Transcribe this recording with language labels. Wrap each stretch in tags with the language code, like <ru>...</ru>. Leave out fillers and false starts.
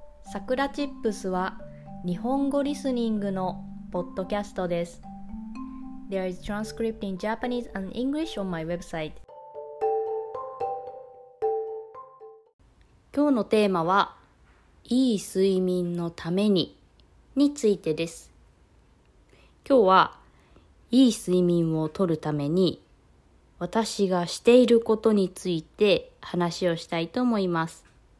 <ja>さくらチップスは日本語リスニングのポッドキャストです。</ja> <en>There is transcript in Japanese and English on my website。</en> <ja>今日のテーマはいい睡眠のためにについてです。今日はいい睡眠をとるために私がしていることについて話をしたいと思います。</ja>